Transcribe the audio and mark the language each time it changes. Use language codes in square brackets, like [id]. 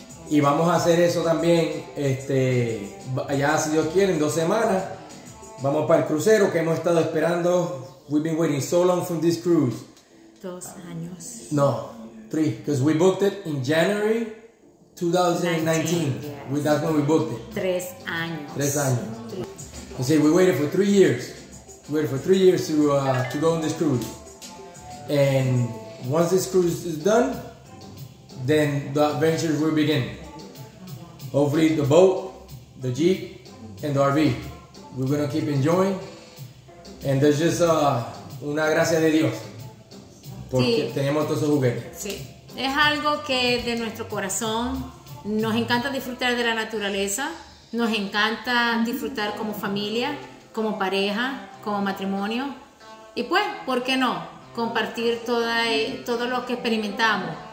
[es] Y vamos a hacer eso también, ya si Dios quiere, en 2 semanas, vamos para el crucero que hemos estado esperando. [en] We've been waiting so long for this cruise. [es] 2 años. [en] No, 3, because we booked it in January 2019. Yes. That's when we booked it. [es] 3 años. 3 años. [en] You see, we waited for 3 years. We waited for 3 years to go on this cruise. And once this cruise is done, then the adventures will begin. Hopefully the boat, the Jeep, and the RV. We're gonna keep enjoying. And there's just [es] una gracia de Dios. Porque sí, tenemos todos esos juguetes. Sí. Es algo que de nuestro corazón nos encanta disfrutar de la naturaleza. Nos encanta disfrutar como familia, como pareja, como matrimonio. Y pues, ¿por qué no? Compartir todo lo que experimentamos.